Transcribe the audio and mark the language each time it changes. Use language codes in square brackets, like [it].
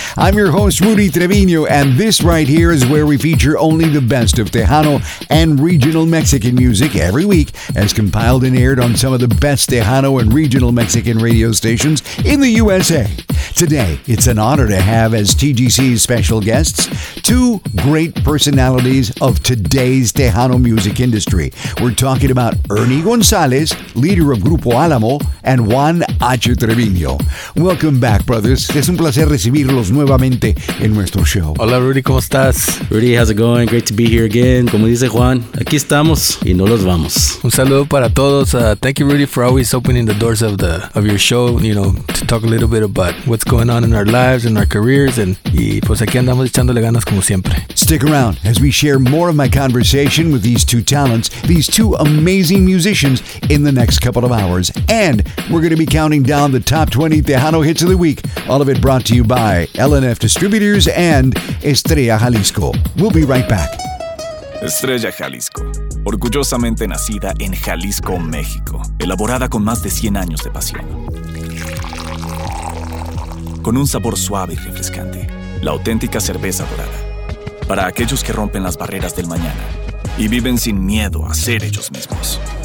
[en] I'm your host, Rudy Treviño, and this right here is where we feature only the best of Tejano and regional Mexican music every week as compiled and aired on some of the best Tejano and regional Mexican radio stations in the USA. Today, it's an honor to have as TGC's special guests two great personalities of today's Tejano music industry. We're talking about Ernie Gonzalez, leader of Grupo Alamo, and Juan H. Treviño. Welcome back, brothers. [es] Es un placer recibirlos nuevamente en nuestro show. Hola, Rudy, ¿cómo estás? [en] Rudy, how's it going? Great to be here again. [es] Como dice Juan, aquí estamos y no los vamos. Un saludo para todos. [en] Thank you, Rudy, for always opening the doors of the of your show, you know, to talk a little bit about what's going on in our lives and our careers, and [es] y pues aquí andamos echándole ganas como siempre. [en] Stick around as we share more of my conversation with these two talents, these two amazing musicians, in the next couple of hours. And we're going to be counting down the top 20 Tejano hits of the week, all of it brought to you by LNF Distributors and Estrella Jalisco. We'll be right back. [es] Estrella Jalisco, orgullosamente nacida en Jalisco, México, elaborada con más de 100 años de pasión. Con un sabor suave y refrescante, la auténtica cerveza dorada. Para aquellos que rompen las barreras del mañana y viven sin miedo a ser ellos mismos.